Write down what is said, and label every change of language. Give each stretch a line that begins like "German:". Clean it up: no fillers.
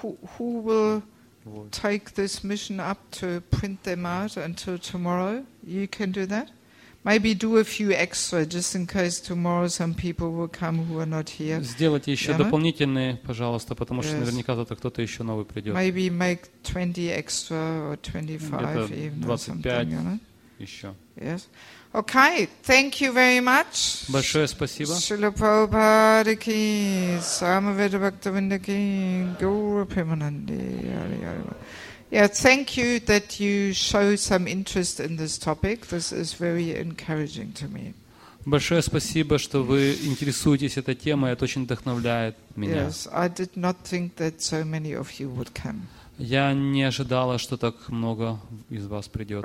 English: So who will take this mission up to print them out until tomorrow? You can do that. Maybe do a few extra just in case tomorrow some people will come who are not here.
Russian: Сделайте еще дополнительные, пожалуйста, потому что наверняка завтра кто-то еще новый придет.
English: Maybe make 20 extra or 25
Russian: еще.
English: Yes. Okay, thank you very much.
Russian: Большое спасибо. Шрила Прабхупада ки, Самаведа Бхактавинда ки, Гуру Премананди.
English: Yeah, thank you that you show some interest in this topic. This is very encouraging to me.
Russian: Большое спасибо, что вы интересуетесь этой темой. Это очень вдохновляет меня.
English: Yes, I did not think that so many of you would come.
Russian: Я не ожидала, что так много из вас придет.